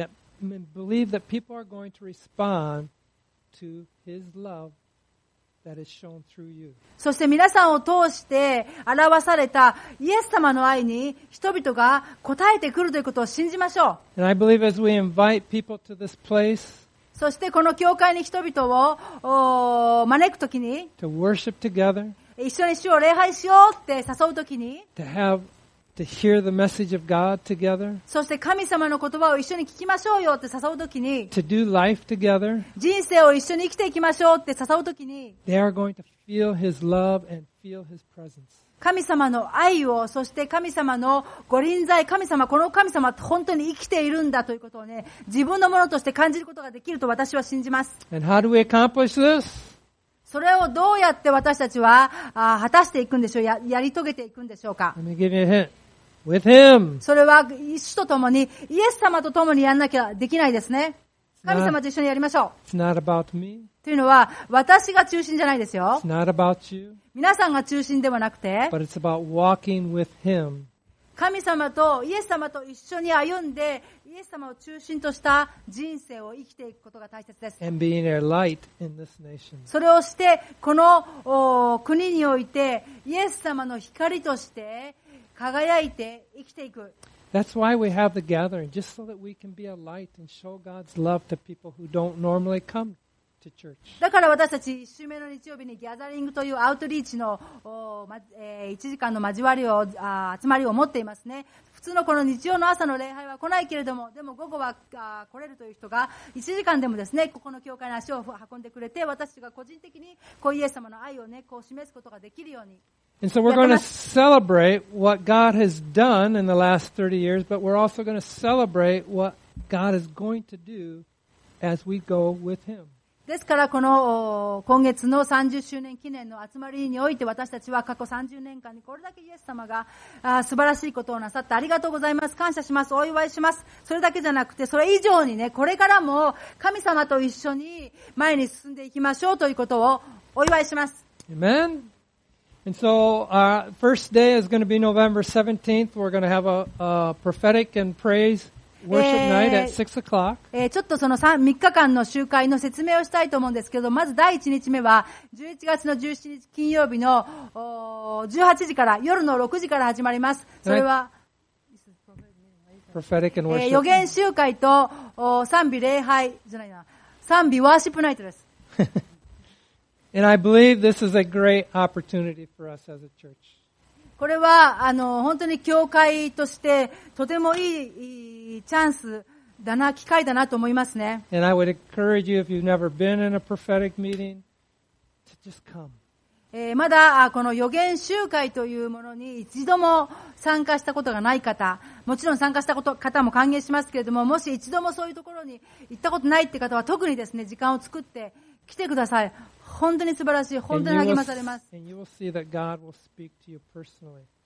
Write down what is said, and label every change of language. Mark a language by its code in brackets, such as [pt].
[en] That believe that people are going to respond to His love that is shown through you. [ja] そして皆さんを通して表されたイエス様の愛に人々が応えてくるということを信じましょう。 [en] And I believe as we invite people to this place. [ja] そしてこの教会に人々を招くときに、 [en] to worship together, [ja] 一緒に主を礼拝しようって誘うときに、 [en] to have, to hear the message of God together, [ja] そして神様の言葉を一緒に聞きましょうよって誘うときに、 [en] to do life together, [ja] 人生を一緒に生きていきましょうって誘うときに、 [en] they are going to feel His love and feel His presence. [ja] 神様の愛を、そして神様のご臨在、神様、この神様は本当に生きているんだということをね、自分のものとして感じることができると私は信じます。 [en] And how do we accomplish this? [ja] それをどうやって私たちは、果たしていくんでしょう、やり遂げていくんでしょうか。 [en] Let me give you a hint. With him. [ja] それは、主と共に、イエス様と共にやらなきゃできないですね。神様と一緒にやりましょう。 [en] It's not about me. [ja] というのは、私が中心じゃないですよ。 [en] It's not about you. [ja] 皆さんが中心ではなくて、 [en] But it's about walking with him. [ja] 神様とイエス様と一緒に歩んで、イエス様を中心とした人生を生きていくことが大切です。 [en] And being a light in this nation. [ja] それをして、この国において、イエス様の光として輝いて生きていく。 [en] That's why we have the gathering, just so that we can be a light and show God's love to people who don't normally come. [ja] だから私たち1週目の日曜日にギャザリングというアウトリーチの1時間の交わりを集まりを持っていますね。普通のこの日曜の朝の礼拝は来ないけれども、でも午後は来れるという人が1時間でもですね、ここの教会に足を運んでくれて、私が個人的にこうイエス様の愛をね、こう示すことができるように。 [en] And so we're going to celebrate what God has done in the last 30 years, but we're also going to celebrate what God is going to do as we go with Him. [ja] ですからこの今月の30周年記念の集まりにおいて私たちは過去30年間にこれだけイエス様が素晴らしいことをなさってありがとうございます、感謝します、お祝いします、それだけじゃなくてそれ以上にね、これからも神様と一緒に前に進んでいきましょうということをお祝いします。 [en] Amen. And so our first day is going to be November 17th. We're going to have a prophetic and praise [ja] ちょっとその 3日間の集会の説明をしたいと思うんですけど、まず第1日目は11月の17日金曜日の18時から夜の6時から始まります。それは予言集会と賛美礼拝じゃないな、賛美ワーシップナイトです。 [en] And I believe this is a great opportunity for us as a church. [ja] これは本当に教会としてとてもいいチャンスだな、機会だなと思いますね。 [en] And I would encourage you if you've never been in a prophetic meeting to just come. [ja] まだこの予言集会というものに一度も参加したことがない方、もちろん参加した方も歓迎しますけれども、もし一度もそういうところに行ったことないって方は特にですね、時間を作って来てください。本当に素晴らしい、本当に励まされます。 [en] And you will see that God will speak to you personally.